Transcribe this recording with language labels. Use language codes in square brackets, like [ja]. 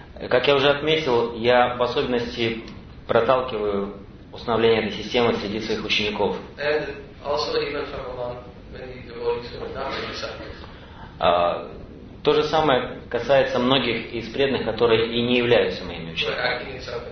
[ru] Как я уже отметил, я в особенности проталкиваю установление этой системы среди своих учеников. [en] Also, even from among many devotees who are not my disciples. [ru] То же самое касается многих из преданных, которые и не являются моими учениками.